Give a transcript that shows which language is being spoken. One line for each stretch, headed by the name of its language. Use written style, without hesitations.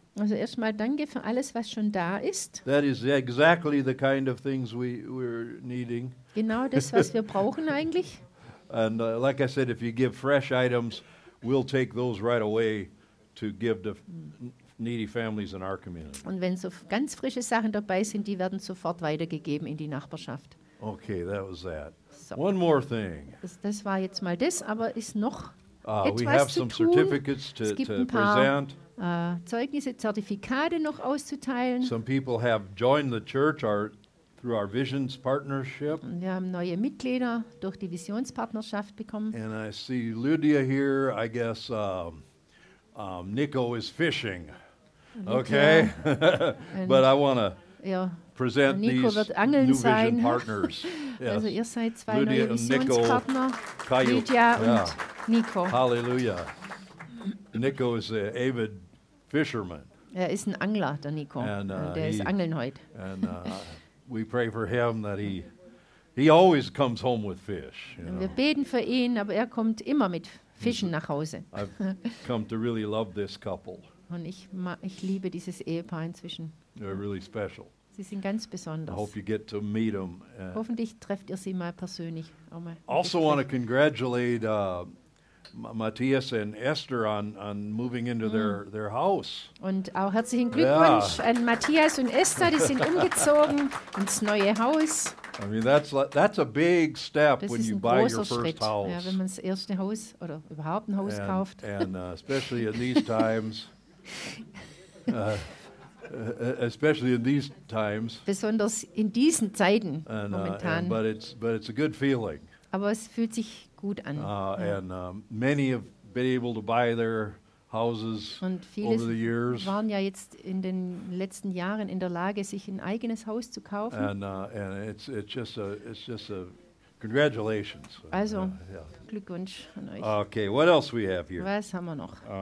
German: Also erstmal danke für alles, was schon da ist.
English: That is exactly the kind of things we're needing.
German: Genau das, was wir brauchen eigentlich.
English: And like I said, if you give fresh items, we'll take those right away to give to needy families in our community.
German: Und wenn so ganz frische Sachen dabei sind, die werden sofort weitergegeben in die Nachbarschaft.
English: Okay, that was that. So. One more thing.
German: Das war jetzt mal das, aber ist noch
English: We have some certificates to present.
German: Zeugnisse, Zertifikate noch auszuteilen.
English: Some people have joined the church through our Visions Partnership.
German: Wir haben neue Mitglieder durch die Visionspartnerschaft bekommen.
English: And I see Lydia here. I guess Nico is fishing. Okay? But I want to present Nico these
German: wird angeln
English: new
German: sein.
English: Vision partners.
German: Yes. Also ihr seid zwei Lydia neue Visionspartner. Nico, Lydia und Nico.
English: Hallelujah. Nico is an avid fisherman.
German: Er ist ein Angler, der Nico. And, der ist angeln heute.
English: And we pray for him that he always comes home with fish.
German: Und wir beten für ihn, aber er kommt immer mit Fischen nach Hause.
English: I've come to really love this couple.
German: Und ich liebe dieses Ehepaar inzwischen.
English: They're really special.
German: Sie sind ganz besonders.
English: I hope you get to meet them.
German: Hoffentlich trefft ihr sie mal persönlich.
English: Also want to congratulate Matthias and Esther on moving into their house.
German: Und auch herzlichen Glückwunsch an Matthias und Esther, die sind umgezogen ins neue Haus.
English: I mean, that's a big step
German: das
English: when you buy your
German: Schritt.
English: First house.
German: Ja, wenn man das erste Haus oder überhaupt ein Haus kauft.
English: And especially in these times. especially in these times.
German: Besonders in diesen Zeiten momentan.
English: But it's a good feeling.
German: Aber es fühlt sich gut an.
English: Many have been able to buy their houses over the years.
German: Und viele waren ja jetzt in den letzten Jahren in der Lage, sich ein eigenes Haus zu kaufen.
English: And it's just a congratulations.
German: Also Glückwunsch an euch.
English: Okay, what else we have here?
German: Was haben wir noch?